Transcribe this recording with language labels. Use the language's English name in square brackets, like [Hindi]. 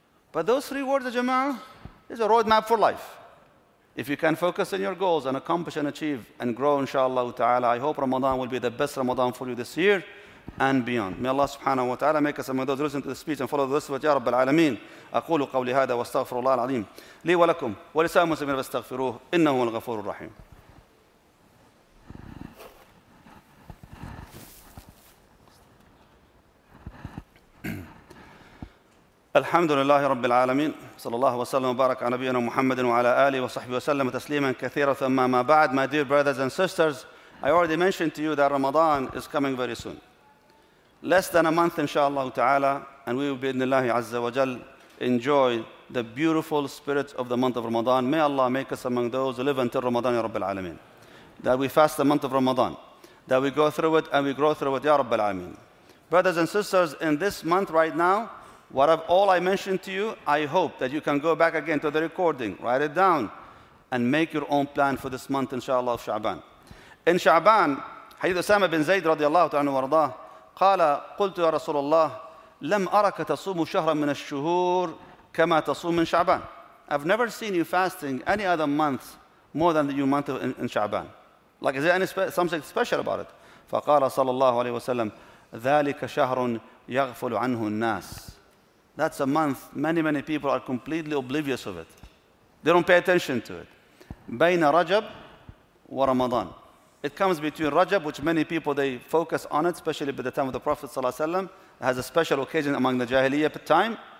[English] But those three words, Jama'ah, is a roadmap for life. If you can focus on your goals and accomplish and achieve and grow, inshallah ta'ala, I hope Ramadan will be the best Ramadan for you this year and beyond. May Allah subhanahu wa ta'ala make us among those who listen to the speech and follow the rest of it, ya Rabbil Alameen. [Arabic] أقول قولي هذا واستغفر الله العظيم لي ولكم ولسائر المسلمين فاستغفروه إنه هو الغفور الرحيم. الحمد لله رب العالمين صلى الله وسلم وبارك على نبينا محمد وعلى آله وصحبه وسلم تسليما كثيرا ثم ما بعد. [English] My dear brothers and sisters, I already mentioned to you that Ramadan is coming very soon. Less than a month, inshallah ta'ala, and we will be in Allah Azza wa Jal enjoy the beautiful spirit of the month of Ramadan. May Allah make us among those who live until Ramadan, ya Rabbil Alameen. That we fast the month of Ramadan. That we go through it and we grow through it, ya Rabbil Alameen. Brothers and sisters, in this month right now, all I mentioned to you, I hope that you can go back again to the recording, write it down, and make your own plan for this month, inshallah, of Sha'ban. [Arabic] In Sha'ban, Hadith Usama bin Zayd, radiallahu ta'ala wa rada, قال قلت يا رسول الله لم أرك تصوم شهرا من الشهور كما تصوم من شعبان. [English] I've never seen you fasting any other month more than your month in شعبان. Like, is there any something special about it? [Arabic] فقال صلى الله عليه وسلم ذلك شهر يغفل عنه الناس. [English] That's a month many people are completely oblivious of it. They don't pay attention to it. [Arabic] بين رجب ورمضان. [English] It comes between Rajab, which many people, they focus on it, especially by the time of the Prophet ﷺ. It has a special occasion among the Jahiliyyah time.